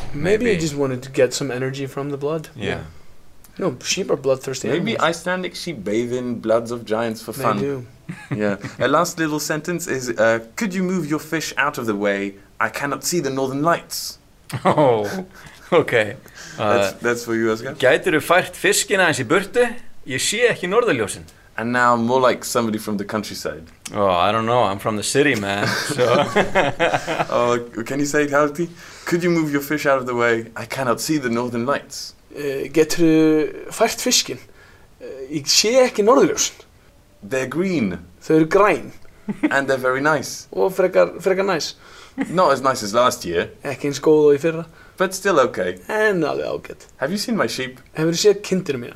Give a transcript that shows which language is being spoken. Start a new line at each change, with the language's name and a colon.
English: Maybe it just wanted to get some energy from the blood. Yeah. No, sheep are bloodthirsty Maybe animals. Icelandic sheep bathe in bloods of giants for fun. They do. Yeah. A last little sentence is, could you move your fish out of the way? I cannot see the northern lights. Oh, okay. that's for you, Ásgeir.
Icelandic: Gætiru fært fiskina eins í burtu? Ég sé ekki norðurljósin.
English: And now more like somebody from the countryside. Oh, I don't know. I'm from the city, man. can you say it, Hjalti? Could you move your fish out of the way? I cannot see the northern lights.
Icelandic: Gætiru fært fiskin? Ég sé ekki norðurljósin.
English: They're green.
Icelandic: Þau eru græn.
English: And they're very nice.
Icelandic: Og frekar nice.
English: Not as nice as last year.
Icelandic: Ekki eins góð og í fyrra.
English: But still okay.
Icelandic: En alveg ágætt.
English: Have you seen my sheep?
Icelandic: Hefur þú séð kindina mína?